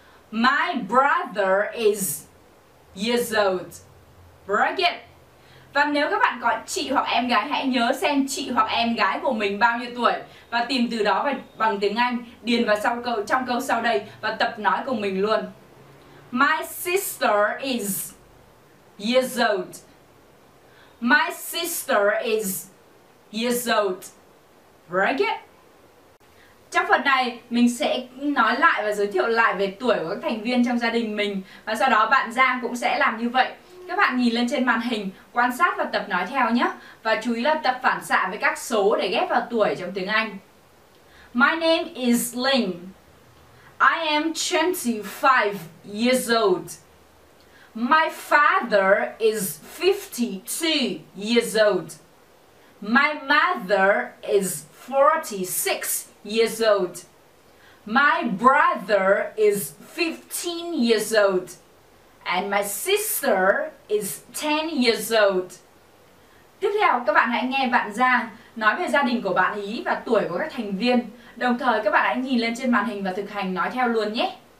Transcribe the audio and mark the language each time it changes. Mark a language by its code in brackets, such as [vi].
[en] My brother is years old. Break it. [vi] Và nếu các bạn có chị hoặc em gái, hãy nhớ xem chị hoặc em gái của mình bao nhiêu tuổi và tìm từ đó bằng tiếng Anh, điền vào sau câu, trong câu sau đây và tập nói cùng mình luôn. [en] My sister is years old. My sister is years old. Very good. [vi] Trong phần này, mình sẽ nói lại và giới thiệu lại về tuổi của các thành viên trong gia đình mình. Và sau đó bạn Giang cũng sẽ làm như vậy. Các bạn nhìn lên trên màn hình, quan sát và tập nói theo nhé. Và chú ý là tập phản xạ với các số để ghép vào tuổi trong tiếng Anh. [en] My name is Ling. I am 25 years old. My father is 52 years old. My mother is 46 years old. My brother is 15 years old. And my sister is 10 years old. [vi] Tiếp theo, các bạn hãy nghe bạn Giang nói về gia đình của bạn ý và tuổi của các thành viên. Đồng thời, các bạn hãy nhìn lên trên màn hình và thực hành nói theo luôn nhé.